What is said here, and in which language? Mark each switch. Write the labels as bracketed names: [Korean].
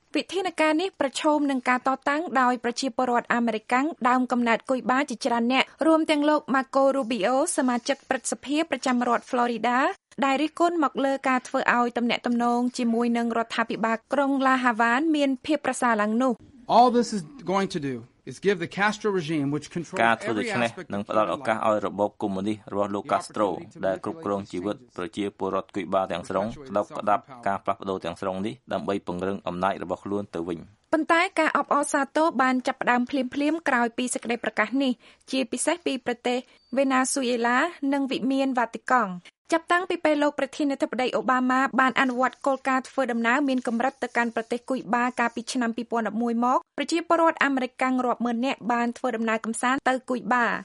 [Khmer] វិធានការនេះប្រឈមនឹងការតតាំងដោយប្រជាពលរដ្ឋអាមេរិកដើមកំណើតគុយបាជាច្រើនអ្នករួមទាំងលោក Marco Rubio សមាជិកព្រឹទ្ធសភាប្រចាំរដ្ឋ Florida ដែលរិះគន់មកលើការធ្វើឲ្យទំនាក់ទំនងជាមួយនឹងរដ្ឋាភិបាលក្រុង La Havana មានភាពប្រសើរឡើងនោះ [English] All this is going to do is give the Castro regime which controls every aspect of life [Khmer] នឹងផ្ដល់ឱកាសឲ្យរបបកុម្មុយនីសរបស់លោក Castro ដែលគ្រប់គ្រងជីវិតប្រជាពលរដ្ឋគុយបាទាំងស្រុងដកដាប់ការផ្លាស់ប្ដូរទាំងស្រុងនេះដើម្បីពង្រឹងអំណាចរបស់ខ្លួនទៅវិញ ប៉ុន្តែការអបអរសាទរបានចាប់ផ្ដើមភ្លាមៗក្រោយពីសេចក្តីប្រកាសនេះជាពិសេសពីប្រទេស Venezuela និងវិមានវ៉ាទីកង់ចាប់តាំងពីពេលលោកប្រធានាធិបតីអូបាម៉ាបានអនុវត្តគោលការណ៍ធ្វើដំណើរមានកម្រិតទៅកាន់ប្រទេសគុយបាកាលពីឆ្នាំ2011មកប្រជាពលរដ្ឋអាមេរិករាប់ម៉ឺននាក់បានធ្វើដំណើរកំសាន្តទៅគុយបា